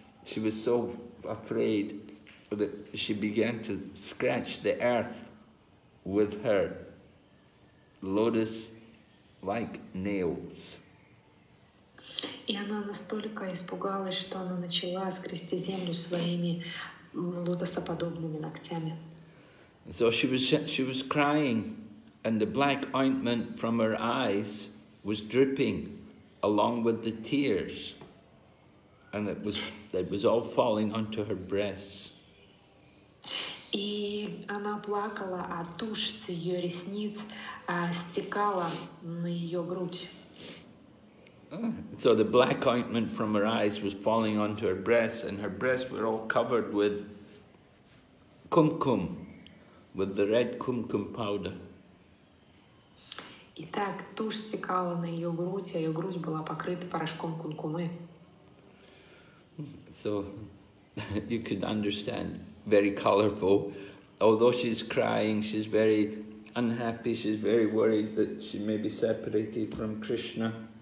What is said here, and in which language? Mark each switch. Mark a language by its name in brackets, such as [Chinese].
[English] She was so afraid that she began to scratch the earth with her lotus-like nails. [Russian] И она настолько испугалась, что она начала скрести землю своими лотосоподобными ногтями. [English] So she was crying, and the black ointment from her eyes was dripping along with the tears. And it was all falling onto her breasts. [Russian] И она плакала, а тушь с ее ресниц стекала на ее грудь. [English] So the black ointment from her eyes was falling onto her breasts, and her breasts were all covered with kumkum, with the red kumkum powder. [Russian] Итак, тушь стекала на ее грудь, а ее грудь была покрыта порошком кумкумы. [English] So, you could understand, very colorful. Although she's crying, she's very unhappy, she's very worried that she may be separated from Krishna.